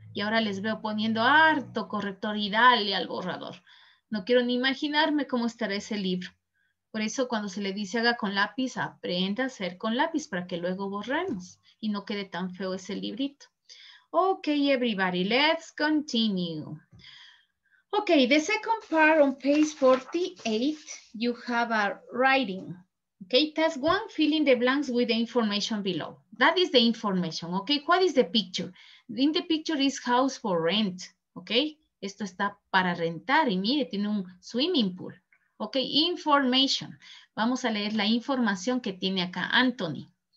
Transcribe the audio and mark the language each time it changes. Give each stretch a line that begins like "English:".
Spanish: Y ahora les veo poniendo harto corrector y dale al borrador. No quiero ni imaginarme cómo estará ese libro. Por eso cuando se le dice haga con lápiz, aprenda a hacer con lápiz para que luego borremos y no quede tan feo ese librito.
English: Ok, everybody, let's continue. Ok, the second part on page 48, you have a writing. Okay, task one, fill in the blanks with the information below. That is the information, okay? What is the picture? In the picture is house for rent, okay?
Spanish: Esto está para rentar y mire, tiene un swimming pool. Ok, information. Vamos a leer la información que tiene acá Anthony.